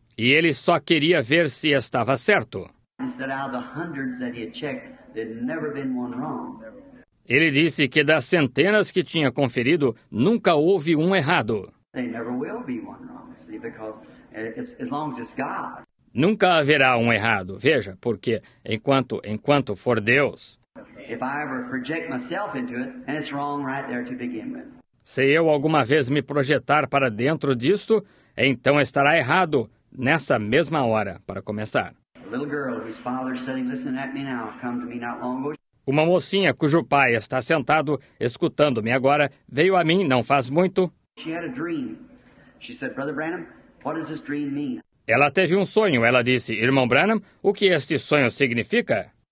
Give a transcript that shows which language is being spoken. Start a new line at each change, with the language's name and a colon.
Portuguese: E ele só queria ver se estava certo.
English: Instead of the hundreds that he had checked, there'd never been one wrong.
Portuguese: Ele disse que das centenas que tinha conferido, nunca houve um errado.
English: There never will be one wrong, see, because as long as it's God.
Portuguese: Nunca haverá um errado, veja, porque enquanto for Deus.
English: If I ever project myself into it, then it's wrong right there to begin with.
Portuguese: Se eu alguma vez me projetar para dentro disto, então estará errado nessa mesma hora, para começar.
English: A little girl whose father's sitting listening at me now come to me not long ago.
Portuguese: Uma mocinha cujo pai está sentado escutando-me agora veio a mim não faz muito.
English: She had a dream. She said, Brother Branham, what does this dream mean?
Portuguese: Ela teve um sonho. Ela disse, irmão Branham, o que este sonho significa?